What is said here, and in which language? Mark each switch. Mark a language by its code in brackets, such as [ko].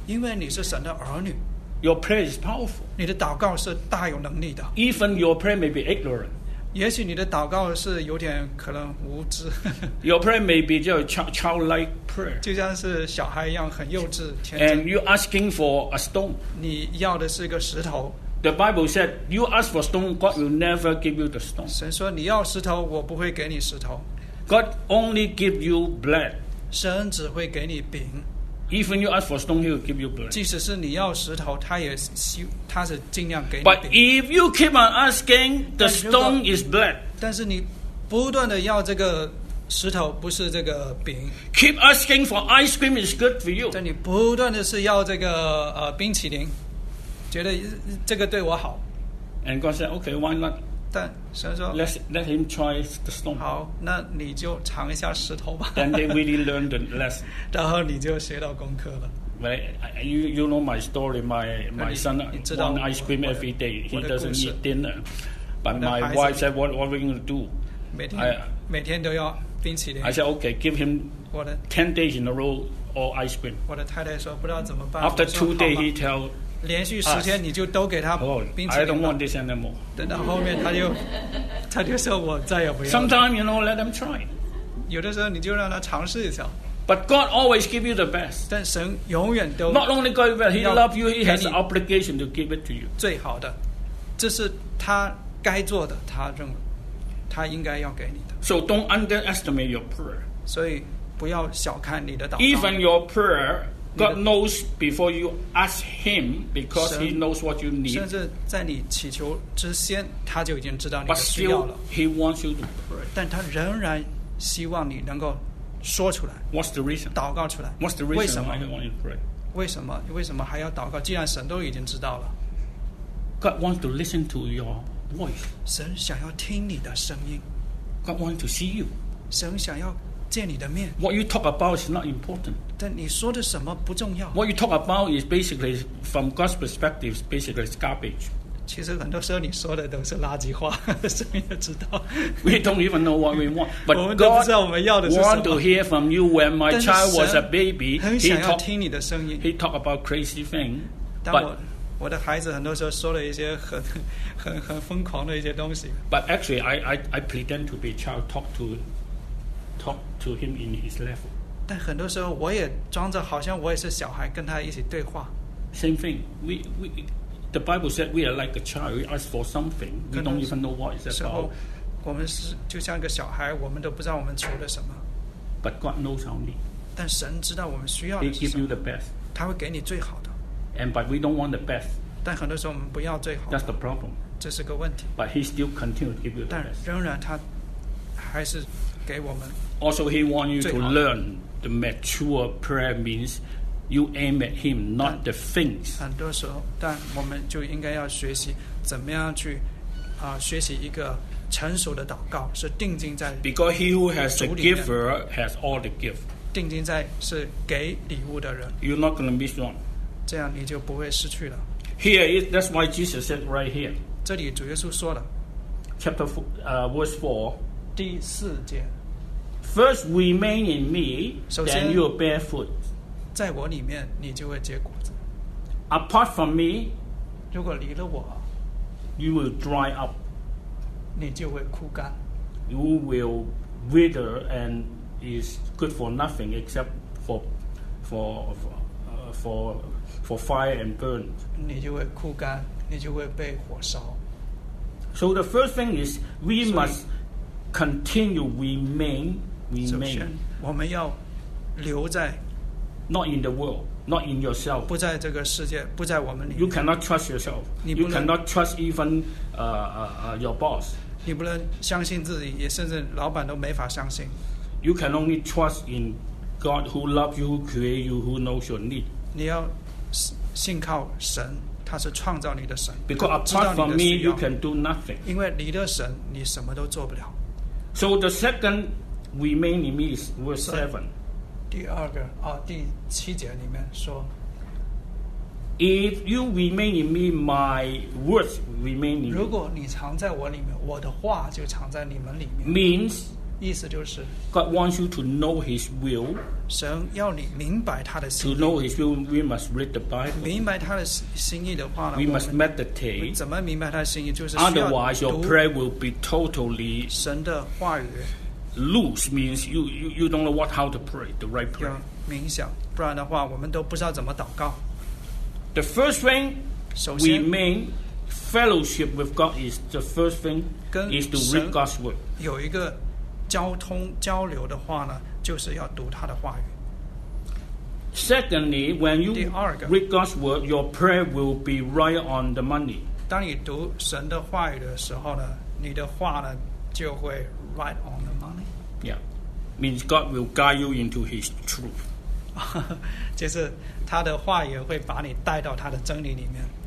[zh] 因为你是神的儿女。 [en] Your prayer is powerful. [zh] 你的祷告是大有能力的。 [en] Even your prayer may be ignorant. [zh] 也许你的祷告是有点可能无知。 [en] Your prayer may be just childlike prayer. [zh] 就像是小孩一样很幼稚天真。 [en] And you asking for a stone. [zh] 你要的是一个石头。 [en] The Bible said, "You ask for stone, God will never give you the stone." [zh] 神说你要石头，我不会给你石头。 [en] God only give you bread. [zh] 神只会给你饼。 [en] Even you ask for stone, He will give you bread. [zh] 即使是你要石头，他是尽量给你。 [en] But if you keep on asking, the stone is bread. [zh] 但是你不断的要这个石头，不是这个饼。 [en] Keep asking for ice cream is good for you. [zh] 但你不断的是要这个冰淇淋。觉得这个对我好。 [en] And God said, okay, why not? [zh] 但神说， [en] let him try the stone. [zh] 好，那你就尝一下石头吧。 [en] Then they really learned the lesson. [zh] 然后你就学到功课了。 [en] Well, you know my story, my son want ice cream every day. He doesn't eat dinner. But my wife said, what are we going to do? [zh] 每天都要冰淇淋。 [en] I said, okay, give him 10 days in a row all ice cream. [zh] 我的太太说不知道怎么办。 [en] After two days, he tell, [zh] 连续十天你就都给他冰淇淋。 [en] I don't want this anymore. [zh] 等到后面他就说我再也不要。 [en] Sometimes you know, let them try. [zh] 有的时候你就让他尝试一下。 [en] But God always give you the best. [zh] 但神永远都 [en] not only God will He love you, He has an obligation to give it to you. [zh] 最好的，这是他该做的，他认为他应该要给你的。 [en] So don't underestimate your prayer. [zh] 所以不要小看你的祷告。 [en] Even your prayer. God knows before you ask Him because He knows what you need. [zh] 甚至在你祈求之先，他就已经知道你的需要了。 [en] But still, He wants you to pray. [zh] 但他仍然希望你能够说出来。 [en] What's the reason? [zh] 祷告出来。 [en] What's the reason? [zh] 为什么 [en] He wants you to pray? [zh] 为什么还要祷告？既然神都已经知道了。 [en] God wants to listen to your voice. [zh] 神想要听你的声音。 [en] God wants to see you. [zh] 神想要见你的面。 [en] What you talk about is not important. [zh] 但你说的什么不重要。 [en] What you talk about is basically, from God's perspective, is basically garbage. [zh] 其实很多时候你说的都是垃圾话，神也知道。 [en] We don't even know what we want. But [zh] 我们都不知道我们要的是什么。 [en] God wants to hear from you when my child was a baby. [zh] 很想要听你的声音。 [en] He talked about crazy things. [zh] 但我的孩子很多时候说了一些很疯狂的一些东西。 [en] But actually, I pretend to be a child, talk to him in his level. [zh] 但很多时候我也装着好像我也是小孩跟他一起对话。 [en] Same thing. We, the Bible said we are like a child. We ask for something. We don't even know what it's about. [zh] 我们是就像个小孩，我们都不知道我们求了什么。 [en] But God knows our need. [zh] 但神知道我们需要的是什么。 [en] He give you the best. [zh] 他会给你最好的。 [en] And but we don't want the best. [zh] 但很多时候我们不要最好的。 [en] That's the problem. [zh] 这是个问题。 [en] But he still continue to give you the best. [zh] 但仍然他还是给我们。 [en] Also, he want you to learn the mature prayer means you aim at him, not the things. [zh] 很多时候，但我们就应该要学习怎么样去啊、学习一个。成熟的祷告是定睛在主里面。 [en] Because he who has the giver has all the gift. [zh] 定睛在是给礼物的人。 [en] You're not going to miss one. [zh] 这样你就不会失去了。 [en] Here is that's why Jesus said right here. [zh] 这里主耶稣说了。 [en] Chapter verse 4. [zh] 第四节。 [en] First remain in me, then you will bear fruit. [zh] 在我里面你就会结果子。 [en] Apart from me, [zh] 如果离了我 [en] you will dry up. [zh] 你就会枯干。 [en] You will wither and is good for nothing except for fire and burn. [zh] 你就会枯干，你就会被火烧。 [en] So the first thing is we must continue remain. [zh] 首先，我们要留在。 [en] Not in the world, not in yourself. [zh] 不在这个世界，不在我们里面。 [en] You cannot trust yourself. You cannot trust even your boss. [zh] 你不能相信自己，也甚至老板都没法相信。 [en] You can only trust in God who loves you, who created you, who knows your need. [zh] 你要信靠神，他是创造你的神。 [en] Because apart from me, you can do nothing. [zh] 因为离了神，你什么都做不了。 [en] So the second remain in me is verse 7. [zh] 第二个啊，第七节里面说 [en] ，If you remain in me, my words. Remaining. [zh] 如果你藏在我里面，我的话就藏在你们里面。 [en] Means [zh] 意思就是 [en] ，God wants you to know His will. [zh] 神要你明白他的心意。 [en] To know His will, we must read the Bible. [zh] 明白他的心意的话呢 [en] ，We must meditate. [zh] 怎么明白他的心意？就是 [en] Otherwise, your prayer will be totally [zh] 神的话语 [en] loose. Means you don't know what how to pray the right prayer. [zh] 要冥想，不然的话，我们都不知道怎么祷告。 [en] The first thing, [zh] 首先 [en] remain. Fellowship with God is the first thing is to read God's word. [zh] 有一个交通交流的话呢，就是要读他的话语。 [en] Secondly, when you read God's word, your prayer will be right on the money. [zh] 当你读神的话语的时候呢，你的话呢就会 [en] right on the money. Yeah, means God will guide you into His truth. [zh] 就是他的话语会把你带到他的真理里面。